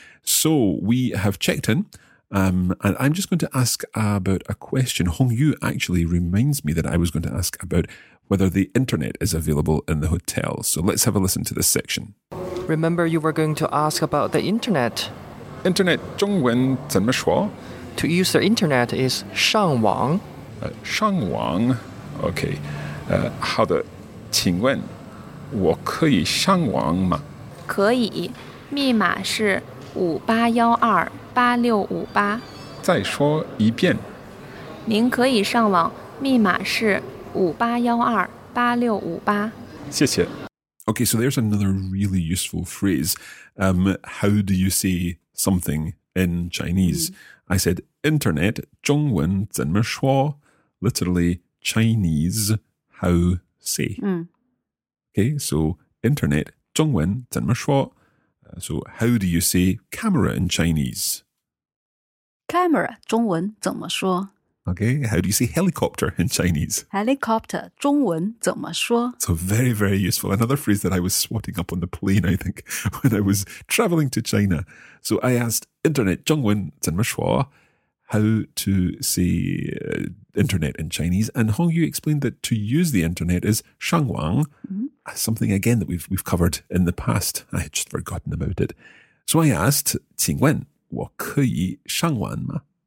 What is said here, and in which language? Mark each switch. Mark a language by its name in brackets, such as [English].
[English] So we have checked in, and I'm just going to ask about a question. Hong Yu actually reminds me that I was going to ask about whether the internet is available in the hotel. So let's have a listen to this section. Remember, you were going to ask about the internet. [Chinese] Internet 中文怎么说? [English] To use the internet is 上网。 [Chinese] 上网, okay. 好的,请问,我可以上网吗? 可以,密码是58128658。再说一遍。您可以上网,密码是58128658。谢谢。 [English] Okay, so there's another really useful phrase. How do you say... something in Chinese. Mm. I said, internet, [Chinese] 中文怎么说? [English] Literally, Chinese, how say. Mm. Okay, so internet, [Chinese] 中文怎么说? [English] So how do you say camera in Chinese? [Chinese] Camera, 中文怎么说? [English] Okay, how do you say helicopter in Chinese? [Chinese] Helicopter, 中文怎么说? [English] So very, very useful. Another phrase that I was swatting up on the plane, I think, when I was traveling to China. So I asked, internet, [Chinese] 中文怎么说, [English] how to say internet in Chinese. And Hong Yu explained that to use the internet is 上网, mm-hmm. something again that we've covered in the past. I had just forgotten about it. So I asked, [Chinese] 请问我可以上网吗?